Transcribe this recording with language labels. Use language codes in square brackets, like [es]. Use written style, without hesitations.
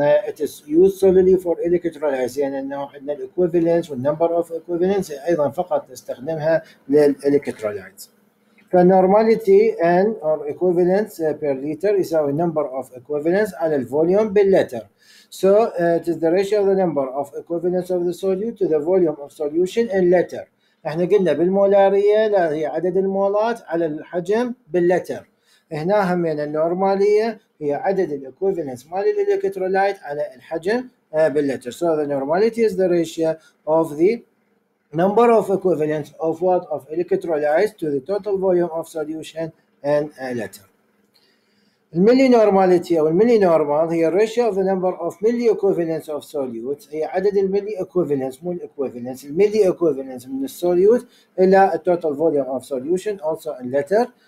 [en] It is used solely for electrolytes. [ar] يعني انه عندنا الاكويفالنت والنمبر اوف اكويفالنت ايضا فقط نستخدمها للالكترولايت. فالنورماليتي ان اور اكويفالنت بير لتر يساوي [en] number of equivalent [ar] على الفوليوم باللتر. [en] So it is the ratio of the number of equivalents of the solute to the volume of solution in liter. [ar] احنا قلنا بالمولارية هي عدد المولات على الحجم باللتر. هنا هم يعني النورمالية هي عدد الاكويفالنس مال الالكترولايت على الحجم باللتر. [en] So the normality is the ratio of the number of equivalents of what of electrolytes to the total volume of solution in a liter. [ar] الملي نورماليتي او الملي نورمال هي [en] الريشيو of the number of milliequivalents of solute, [ar] هي عدد الملي اكويفالنس مو الاكويفالنس، الملي اكويفالنس من السوليوت الى [en] التوتال volume of solution also in litre.